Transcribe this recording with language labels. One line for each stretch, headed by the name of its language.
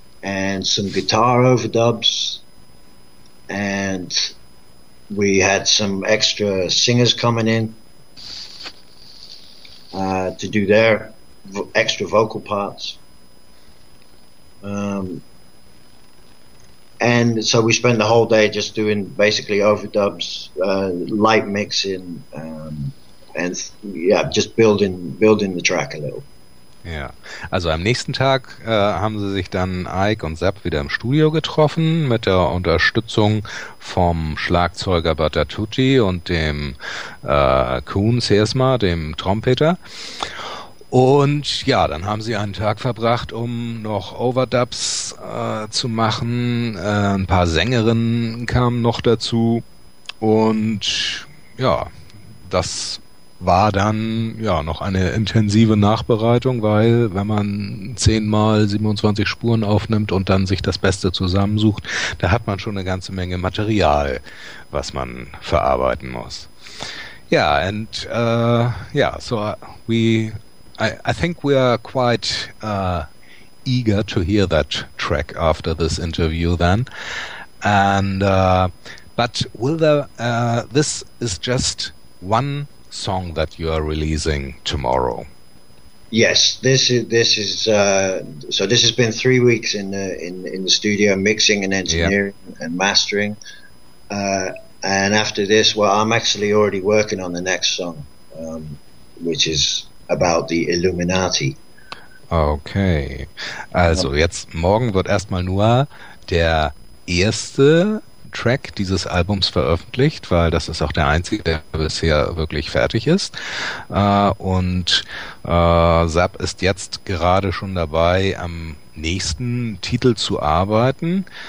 English: and some guitar overdubs. And we had some extra singers coming in to do their extra vocal parts. And so we spent the whole day just doing basically overdubs, light mixing, just building the track a little.
German: Ja, also am nächsten Tag haben sie sich dann Ike und Sepp wieder im Studio getroffen mit der Unterstützung vom Schlagzeuger Batatuti und dem Kuhn Seersma, dem Trompeter. Und ja, dann haben sie einen Tag verbracht, um noch Overdubs zu machen. Ein paar Sängerinnen kamen noch dazu. Und ja, das war dann ja noch eine intensive Nachbereitung, weil wenn man 10 mal 27 Spuren aufnimmt und dann sich das Beste zusammensucht, da hat man schon eine ganze Menge Material, was man verarbeiten muss.
English: Yeah, and I think we are quite eager to hear that track after this interview then. And but will there this is just one song that you are releasing tomorrow? Yes, this is this has been 3 weeks in the studio mixing and engineering, yep. and mastering, and after this, well, I'm actually already working on the next song, which is about the Illuminati.
German: Okay, also jetzt morgen wird erstmal nur der erste Track dieses Albums veröffentlicht, weil das ist auch der einzige, der bisher wirklich fertig ist. Und Zapp ist jetzt gerade schon dabei, am nächsten Titel zu arbeiten.